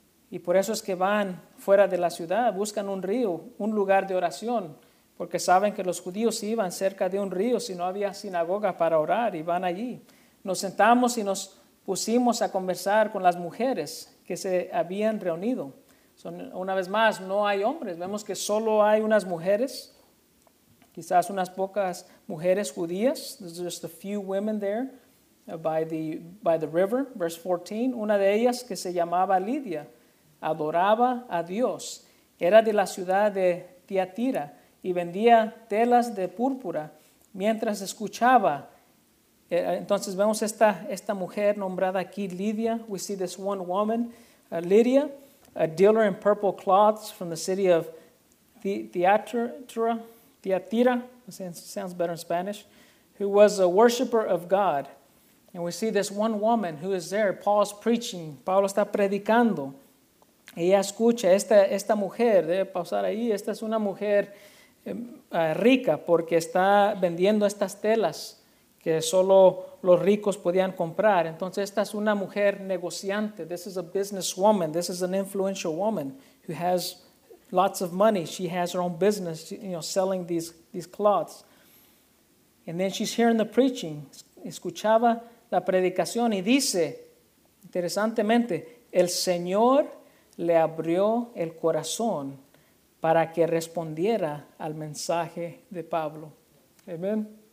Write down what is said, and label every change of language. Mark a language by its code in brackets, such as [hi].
[es] Y por eso es que van fuera de la ciudad, buscan un río, un lugar de oración, porque saben que los judíos iban cerca de un río si no había sinagoga para orar, y van allí. Nos sentamos y nos pusimos a conversar con las mujeres que se habían reunido. Son, una vez más, no hay hombres. Vemos que solo hay unas mujeres, quizás unas pocas mujeres judías. [en] There's just a few women there by the river. Verse 14, [es] una de ellas que se llamaba Lidia, adoraba a Dios. Era de la ciudad de Tiatira y vendía telas de púrpura mientras escuchaba. Entonces vemos esta mujer nombrada aquí, Lidia. [en] We see this one woman, Lydia, a dealer in purple cloths from the city of Thyatira, sounds better in Spanish, who was a worshiper of God. And we see this one woman who is there. Paul's preaching. [es] Pablo está predicando. Ella escucha. Esta mujer, debe pausar ahí, esta es una mujer rica porque está vendiendo estas telas que solo los ricos podían comprar. Entonces esta es una mujer negociante. [en] This is a businesswoman. This is an influential woman who has lots of money. She has her own business, you know, selling these cloths. And then she's hearing the preaching. [es] Escuchaba la predicación y dice, interesantemente, el Señor le abrió el corazón para que respondiera al mensaje de Pablo. Amén.